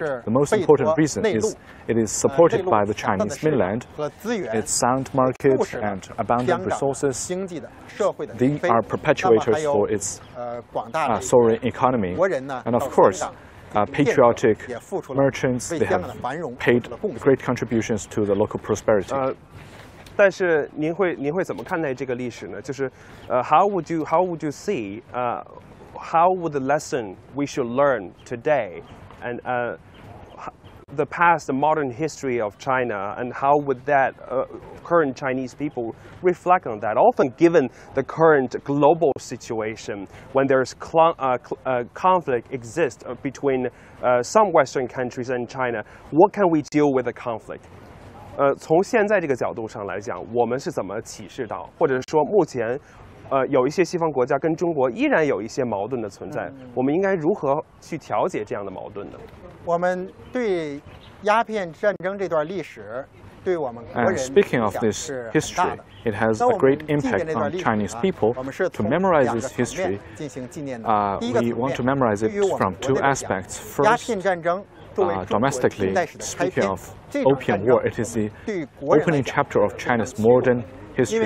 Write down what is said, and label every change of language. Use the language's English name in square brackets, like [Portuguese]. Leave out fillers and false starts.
[English] The most important reason is it is supported by the Chinese mainland, its sound market and abundant resources. They are perpetuators for its soaring economy, and of course, patriotic merchants, they have paid great contributions to the local prosperity. [Chinese] 但是您会怎么看待这个历史呢？就是 [English] how would you see how would the lesson we should learn today and the past, the modern history of China, and how would that current Chinese people reflect on that? Often given the current global situation, when there's conflict exists between some Western countries and China, what can we deal with the conflict? [Chinese] 从现在这个角度上来讲，我们是怎么启示到，或者说目前有一些西方国家跟中国依然有一些矛盾的存在，我们应该如何去调解这样的矛盾呢？我们对鸦片战争这段历史 [English] And speaking of this history, it has a great impact on Chinese people. To memorize this history, we want to memorize it from two aspects. First, domestically, speaking of Opium War, it is the opening chapter of China's modern history.